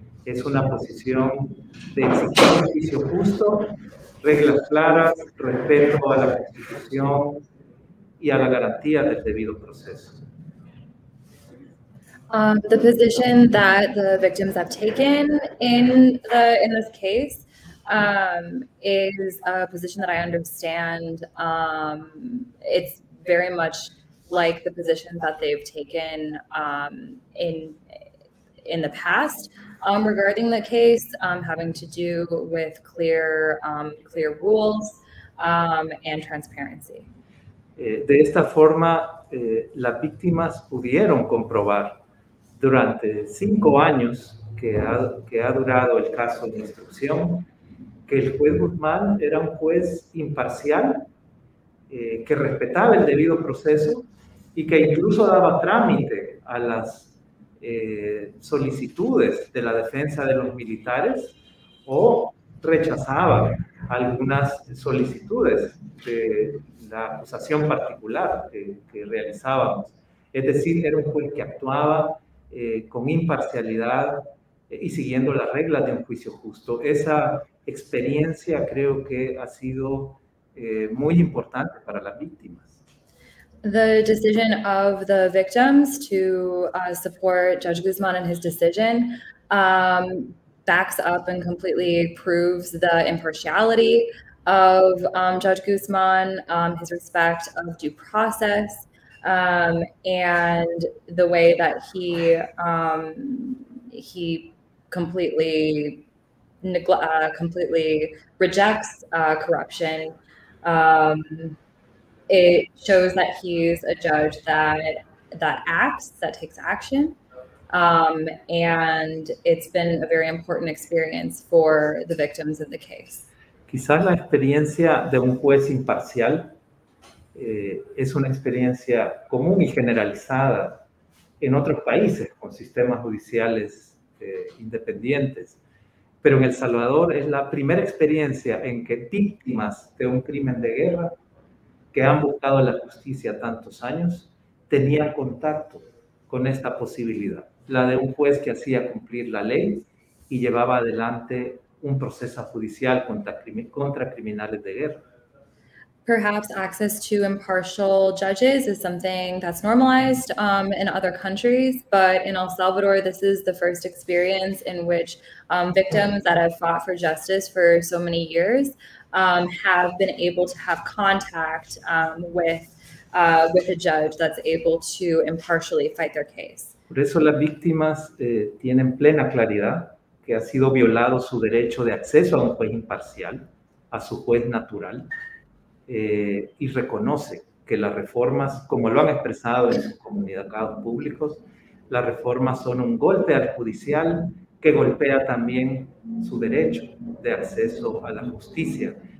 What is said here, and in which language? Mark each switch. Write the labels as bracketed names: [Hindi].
[Spanish] Es una posición de exigir un juicio justo, reglas claras, respeto a la Constitución y a la garantía del debido proceso. [English] The position that the victims have taken in this case is a position that I understand. It's very much like the position that they've taken in the past regarding the case, having to do with clear rules and transparency. [Spanish] De esta forma, las víctimas pudieron comprobar durante 5 años que ha durado el caso de instrucción, que el juez Guzmán era un juez imparcial, que respetaba el debido proceso y que incluso daba trámite a las solicitudes de la defensa de los militares o rechazaba algunas solicitudes de la acusación particular que realizábamos. Es decir, era un juez que actuaba con imparcialidad y siguiendo las reglas de un juicio justo. Esa experiencia creo que ha sido muy importante para las víctimas. [English] The decision of the victims to support Judge Guzman and his decision backs up and completely proves the impartiality of Judge Guzman, his respect of due process, and the way that he completely rejects corruption, it shows that he's a judge that acts, that takes action, and it's been a very important experience for the victims of the case. [Spanish] Quizás la experiencia de un juez imparcial es una experiencia común y generalizada en otros países con sistemas judiciales independientes. Pero en El Salvador es la primera experiencia en que víctimas de un crimen de guerra que han buscado la justicia tantos años tenían contacto con esta posibilidad, la de un juez que hacía cumplir la ley y llevaba adelante un proceso judicial contra criminales de guerra. [English] Perhaps access to impartial judges is something that's normalized in other countries, but in El Salvador, this is the first experience in which victims that have fought for justice for so many years have been able to have contact with a judge that's able to impartially fight their case. [Spanish] Por eso las víctimas tienen plena claridad que ha sido violado su derecho de acceso a un juez imparcial, a su juez natural. Y reconoce que las reformas, como lo han expresado en sus comunicados públicos, las reformas son un golpe al judicial que golpea también su derecho de acceso a la justicia.